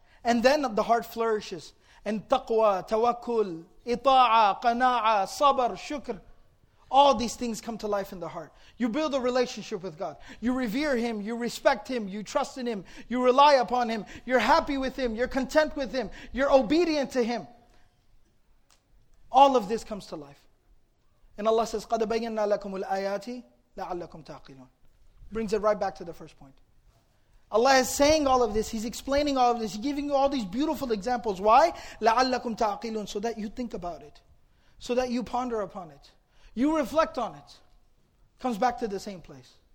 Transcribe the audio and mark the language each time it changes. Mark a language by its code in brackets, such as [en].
[en] And then the heart flourishes. And taqwa, tawakkul, ita'a, qana'a, sabr, shukr. All these things come to life in the heart. You build a relationship with God. You revere Him, you respect Him, you trust in Him, you rely upon Him, you're happy with Him, you're content with Him, you're obedient to Him. All of this comes to life. And Allah says, [ar] قَدَ بَيَّنَّا لَكُمُ الْآيَاتِ لَعَلَّكُمْ تَعْقِلُونَ. [en] Brings it right back to the first point. Allah is saying all of this, He's explaining all of this, He's giving you all these beautiful examples. Why? [ar] لَعَلَّكُمْ تَعْقِلُونَ. [en] So that you think about it. So that you ponder upon it. You reflect on it. Comes back to the same place.